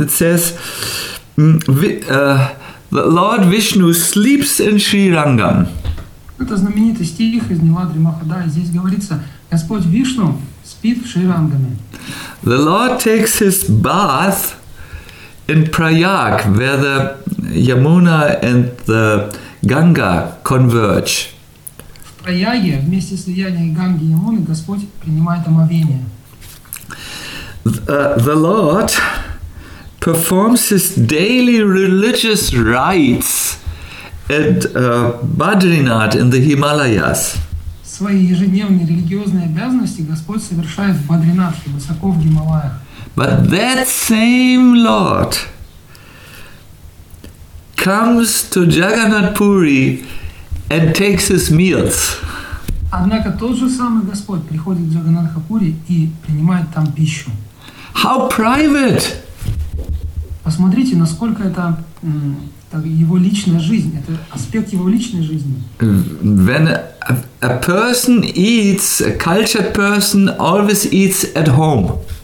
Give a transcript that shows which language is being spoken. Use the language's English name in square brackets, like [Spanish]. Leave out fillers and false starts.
[English] It says, the Lord Vishnu sleeps in Sri Rangam. [Russian] Это знаменитый стих из Ниладри Махадая. Здесь говорится, Господь Вишну спит в Шри-Рангаме. [English] The Lord takes his bath in Prayag, where the Yamuna and the Ganga converge. [Russian] В Праяге, вместе с влиянием Ганги и Ямуны, Господь принимает омовение. [English] The Lord performs his daily religious rites at Badrinath in the Himalayas. [Russian] Свои ежедневные религиозные обязанности Господь совершает в Бадринатхе, высоко в Гималаях. [English] But that same Lord comes to Jagannath Puri and takes his meals. [Russian] Однако тот же самый Господь приходит в Джаганнатхапури и принимает там пищу. [English] How private! [Russian] Посмотрите, насколько это его личная жизнь, это аспект его личной жизни. [English] When a person eats, a cultured person always eats at home.